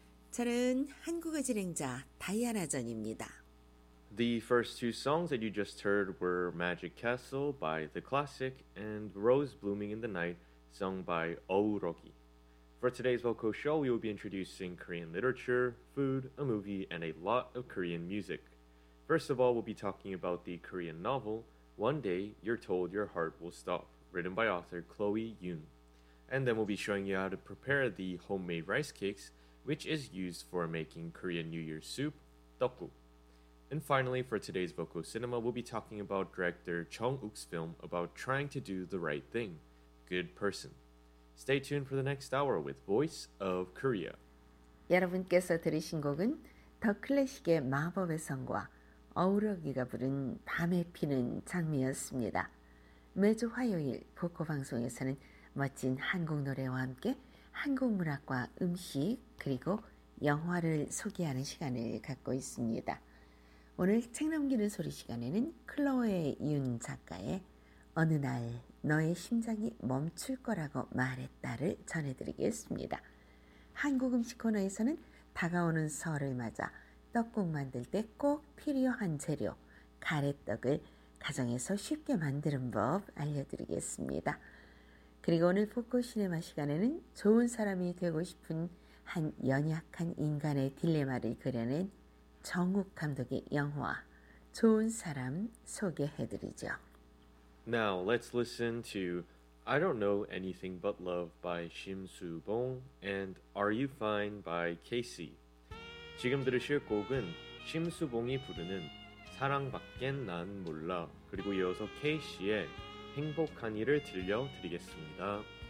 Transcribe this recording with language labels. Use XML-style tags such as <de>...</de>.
<ko>저는 한국어 진행자 다이아나 전입니다.</ko> <en>The first two songs that you just heard were Magic Castle by The Classic and Rose Blooming in the Night sung by Ourogi. For today's vocal show, we will be introducing Korean literature, food, a movie, and a lot of Korean music. First of all, we'll be talking about the Korean novel, One Day You're Told Your Heart Will Stop, written by author Chloe Yoon. And then we'll be showing you how to prepare the homemade rice cakes, which is used for making Korean New Year soup, 떡국. And finally, for today's vocal cinema, we'll be talking about director Chung Uk's film about trying to do the right thing, Good Person. Stay tuned for the next hour with Voice of Korea.</en> <ko>여러분께서 들으신 곡은 더 클래식의 마법의 성과 어우러기가 부른 밤에 피는 장미였습니다. 매주 화요일 보코 방송에서는 멋진 한국 노래와 함께 한국 문학과 음식 그리고 영화를 소개하는 시간을 갖고 있습니다. 오늘 책 넘기는 소리 시간에는 클로에 윤 작가의 어느 날 너의 심장이 멈출 거라고 말했다를 전해드리겠습니다. 한국 음식 코너에서는 다가오는 설을 맞아 떡국 만들 때 꼭 필요한 재료, 가래떡을 가정에서 쉽게 만드는 법 알려드리겠습니다. 그리고 오늘 포커 시네마 시간에는 좋은 사람이 되고 싶은 한 연약한 인간의 딜레마를 그려낸 정욱 감독의 영화 좋은 사람 소개해드리죠.</ko> <en>Now let's listen to I Don't Know Anything But Love by Shim Soo-bong and Are You Fine by Casey.</en> <ko>지금 들으실 곡은 심수봉이 부르는 사랑밖엔 난 몰라 그리고 이어서 K씨의 행복한 일을 들려드리겠습니다.</ko>